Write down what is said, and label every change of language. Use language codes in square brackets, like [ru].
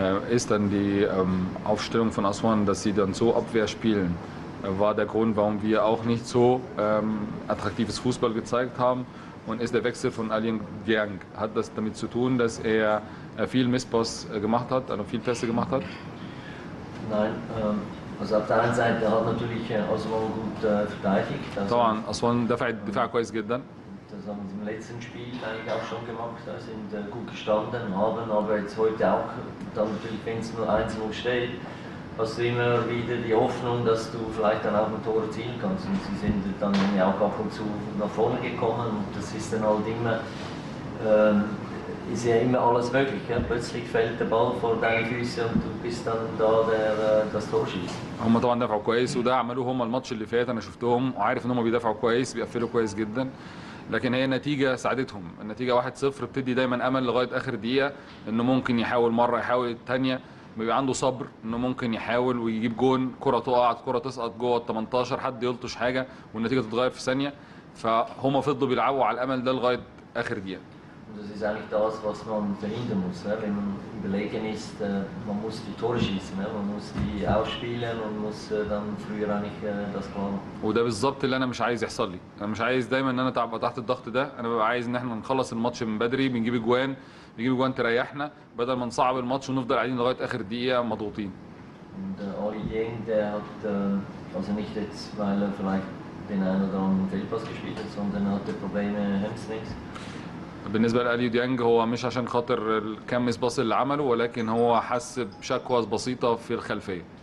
[de] Ist dann die Aufstellung von Aswan, dass sie dann so Abwehr spielen, war der Grund, warum wir auch nicht so attraktives Fußball gezeigt haben? Und ist der Wechsel von Alien Giang, hat das damit zu tun, dass er viel Missboss gemacht hat, also viel Pässe gemacht hat? Nein, also auf der einen Seite hat natürlich Aswan gut verteidigt. [ar] طبعا Aswan دفع الدفاع كويس جدا. [de] Das haben sie im letzten Spiel eigentlich auch schon gemacht, da sind gut gestanden, haben aber jetzt heute auch, dann natürlich, wenn es nur 1-0 steht, hast du immer wieder die Hoffnung, dass du vielleicht dann auch ein Tor erzielen kannst. Und sie sind dann ja auch ab und zu nach vorne gekommen, und das ist dann halt immer, ist ja immer alles möglich. Ja? Plötzlich fällt der Ball vor deine Füße und du bist dann da, der das Tor schießt. [ar] هما طبعا دفعوا كويس، وده عملوه هما الماتش اللي فات، انا شفتهم وعارف ان هما بيدافعوا كويس، بيقفلوا كويس جدا، لكن هي نتيجة ساعدتهم. النتيجة 1-0 بتدي دايما امل لغاية اخر دقيقة انه ممكن يحاول مرة، يحاول التانية، بيبقى عنده صبر انه ممكن يحاول ويجيب جون، كرة تقع، كرة تسقط جوه ال 18، حد يلطش حاجة والنتيجة تتغير في ثانية. فهما فضلوا بيلعبوا على الامل ده لغاية اخر دقيقة. [de] Das ist eigentlich das, was man verhindern muss. Ne? Wenn man überlegen ist, man muss die Tore schießen, ne? Man muss die ausspielen und muss dann früher eigentlich das planen. [ar] وده بالظبط اللي انا مش عايز يحصل لي. انا مش عايز دايما ان انا اتعب تحت الضغط ده، انا ببقى عايز ان احنا نخلص الماتش من بدري، بنجيب اجوان تريحنا، بدل ما نصعب الماتش ونفضل قاعدين لغايه اخر دقيقه مضغوطين. [de] Und Olien, der hat, also nicht jetzt, weil er vielleicht den einen oder anderen Fehlpass gespielt hat, sondern hatte Probleme Hamstrings. [ar] بالنسبه لاليو ديانج، هو مش عشان خاطر كم ميس باص اللي عمله، ولكن هو حس بشكوى بسيطه في الخلفيه.